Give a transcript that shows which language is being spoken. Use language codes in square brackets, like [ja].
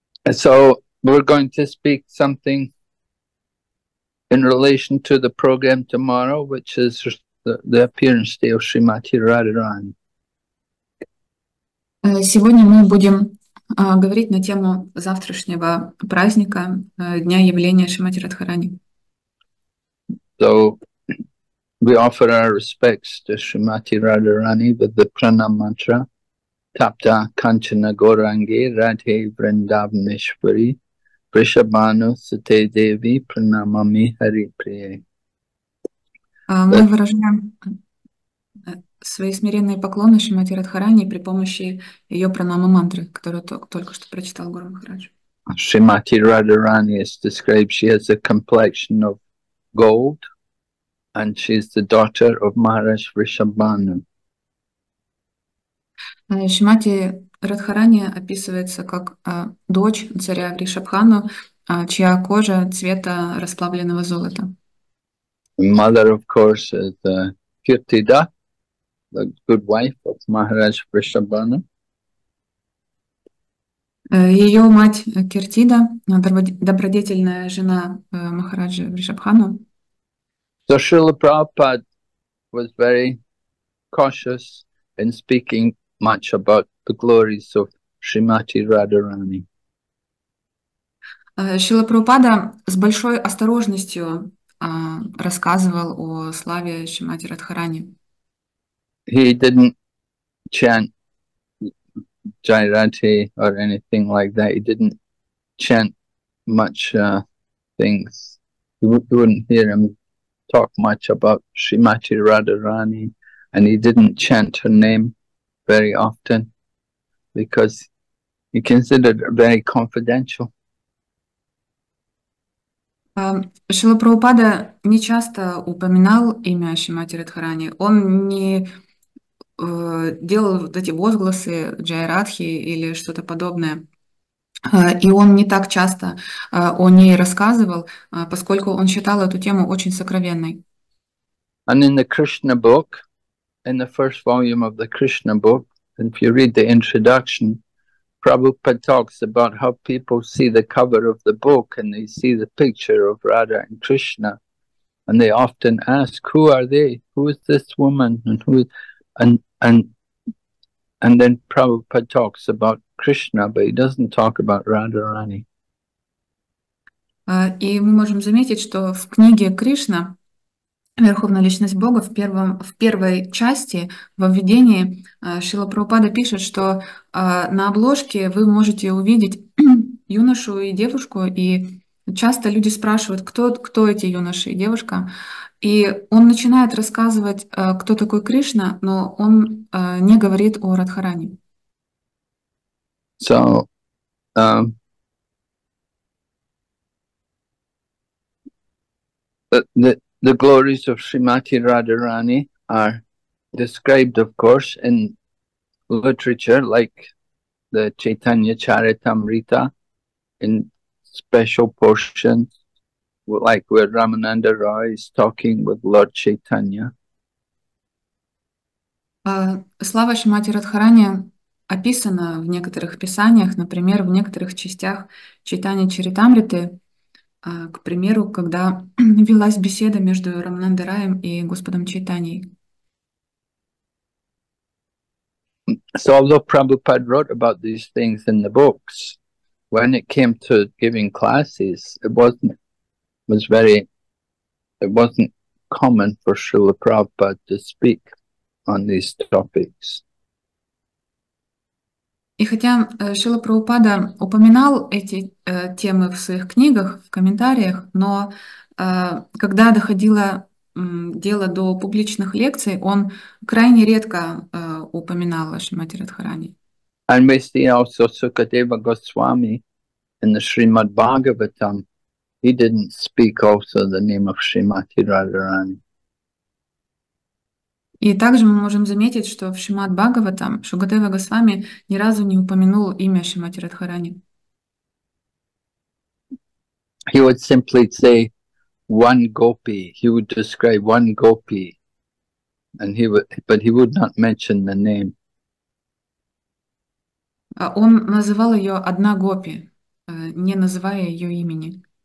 [en] So we're going to speak something in relation to the program tomorrow, which is the appearance day of Srimati Radharani. [ru] Сегодня мы будем говорить на тему завтрашнего праздника, дня явления Шримати Радхарани. [en] So we offer our respects to Shrimati Radharani with the pranam mantra, [sa] Tapta Kanchana Gorange Radhe Vrindavaneshwari Vrishabhanu Sute Devi Pranamami Hari Priye. [ru] Мы выражаем свои смиренные поклоны Шримати Радхарани при помощи ее пранама мантры, которую только что прочитал Гуру Махарадж. [en] Шримати Радхарани is described, she has a complexion of gold, and she is the daughter of Maharaj Vrishabhanu. [ru] Шримати Радхарани описывается как дочь царя Вришабхану, чья кожа цвета расплавленного золота. [en] Mother, of course, is the Kirtida, the good wife of Maharaj Vrishabhanu. [ru] Ее мать Киртида, добродетельная жена Махараджи Вришабхану. [en] So Srila Prabhupada was very cautious in speaking much about the glories of Srimati Radharani. [ru] Шрила Прабхупада с большой осторожностью рассказывал о славе Шримати Радхарани. [en] He didn't chant Jai Radhe or anything like that. He didn't chant much things. You wouldn't hear him talk much about Srimati Radharani, and he didn't chant her name very often because he considered it very confidential. [ru] Шрила Прабхупада не часто упоминал имя Шримати Радхарани. Он не делал вот эти возгласы Джай Радхи или что-то подобное. И он не так часто о ней рассказывал, поскольку он считал эту тему очень сокровенной. [en] And in the Krishna book, in the first volume of the Krishna book, and if you read the introduction, Prabhupada talks about how people see the cover of the book and they see the picture of Radha and Krishna, and they often ask, who are they? Who is this woman? And who is, and then Prabhupada talks about Krishna, but he doesn't talk about Radharani. [ru] И мы можем заметить, что в книге Кришна, Верховная Личность Бога, в первой части, во введении, Шрила Прабхупада пишет, что на обложке вы можете увидеть юношу и девушку, и часто люди спрашивают, кто эти юноши и девушка. И он начинает рассказывать, кто такой Кришна, но он не говорит о Радхаране. [en] So, the glories of Srimati Radharani are described, of course, in literature like the Chaitanya Charitamrita, in special portions, like where Ramananda Roy is talking with Lord Chaitanya. [ru] Слава Шримати Радхарани описана в некоторых писаниях, например, в некоторых частях Чайтанья Чаритамриты, к примеру, когда велась беседа между Рамананда Раем и Господом Чайтаньей. [en] So although Prabhupada wrote about these things in the books, when it came to giving classes, it wasn't common for Srila Prabhupada to speak on these topics. [ru] И хотя Шрила Прабхупада упоминал эти темы в своих книгах, в комментариях, но когда доходило дело до публичных лекций, он крайне редко упоминал о Шримати Радхарани. [en] And we see also Sukadeva Goswami in the Srimad Bhagavatam. He didn't speak also the name of Srimati Radharani. [ru] И также мы можем заметить, что в Шримад Бхагаватам Шукадева Госвами ни разу не упомянул имя Шримати Радхарани. [en] He would simply say one gopi. He would describe one gopi, and he would, but he would not mention the name. [ru] Он называл ее одна гопи, не называя ее имени.